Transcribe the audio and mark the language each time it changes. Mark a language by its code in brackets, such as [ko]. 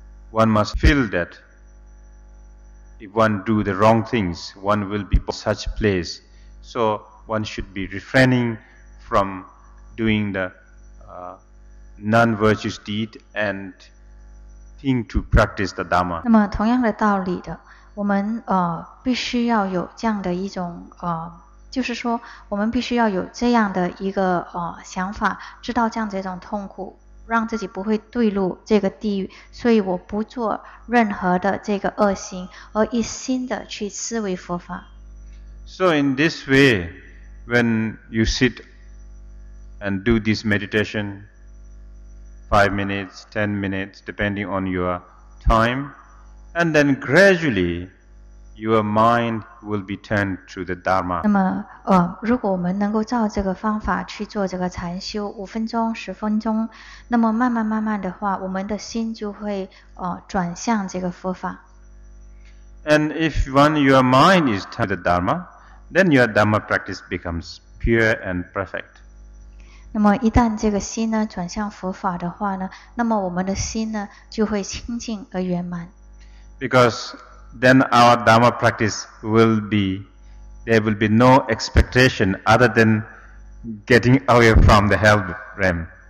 [en] one must feel that if one do the wrong things, one will be in such place. So one should be refraining from doing the non-virtuous deed and think to practice the Dhamma. [zh] 那么同样的道理的，我们必须要有这样的一种就是说我们必须要有这样的一个想法，知道这样的一种痛苦，让自己不会堕入这个地狱，所以我不做任何的这个恶行，而一心的去思维佛法。 [en] So in this way, when you sit and do this meditation, 5 minutes, 10 minutes, depending on your time, and then gradually your mind will be turned to the Dharma. [zh] 那么如果我们能够照这个方法去做这个禅修，五分钟、十分钟，那么慢慢慢慢的话，我们的心就会转向这个佛法。 [en] And if when your mind is turned to the Dharma, then your Dharma practice becomes pure and perfect. [zh] 那么一旦这个心呢转向佛法的话呢，那么我们的心呢就会清净而圆满。 [en] Because then our Dhamma practice will be, there will be no expectation other than getting away from the hell realm.